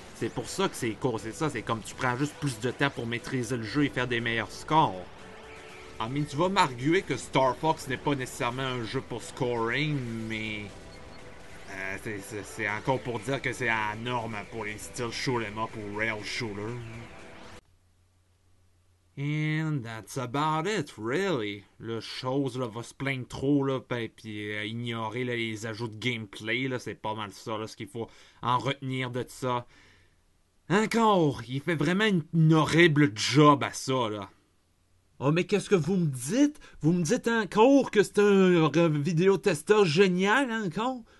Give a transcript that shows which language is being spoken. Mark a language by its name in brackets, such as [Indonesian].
[French] C'est pour ça que c'est court, c'est ça. C'est comme tu prends juste plus de temps pour maîtriser le jeu et faire des meilleurs scores. Ah, mais tu vas m'arguer que Star Fox n'est pas nécessairement un jeu pour scoring, mais... C'est encore pour dire que c'est la norme pour les styles shoot'em up ou rail shooter. [English] And that's about it, really. [French] La chose là, va se plaindre trop là, puis ignorer là, les ajouts de gameplay. Là, c'est pas mal ça, là, ce qu'il faut en retenir de ça. Encore, il fait vraiment une horrible job à ça, là. Oh, mais qu'est-ce que vous me dites? Vous me dites encore que c'est un vidéotesteur génial, encore?